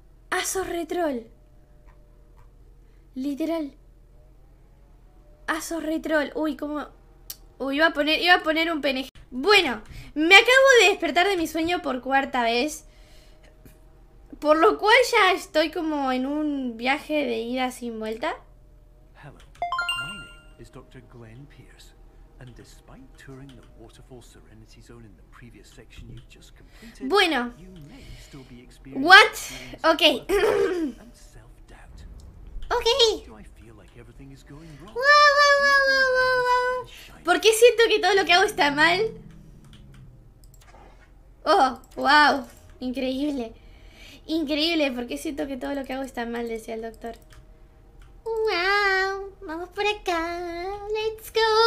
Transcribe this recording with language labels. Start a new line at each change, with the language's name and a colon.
Spanish: Ah, sos retrol. Literal. Ah, sos retrol. Uy, cómo. Uy, iba a poner un PNG. Bueno, me acabo de despertar de mi sueño por cuarta vez. Por lo cual ya estoy como en un viaje de ida sin vuelta.
English: Hello. My name is Dr. Glenn Pierce, and despite touring the Waterfall Serenity Zone in the previous section you've just completed.
Spanish: Bueno.
English: You may still be experiencing. What? Okay. And self-doubt. Okay. Do I feel like everything is going wrong? Whoa, whoa, whoa, whoa, whoa.
Spanish: ¿Por qué siento que todo lo que hago está mal? Oh, wow. Increíble. Increíble, porque siento que todo lo que hago está mal, decía el doctor. ¡Wow! Vamos por acá.
English: ¡Let's go!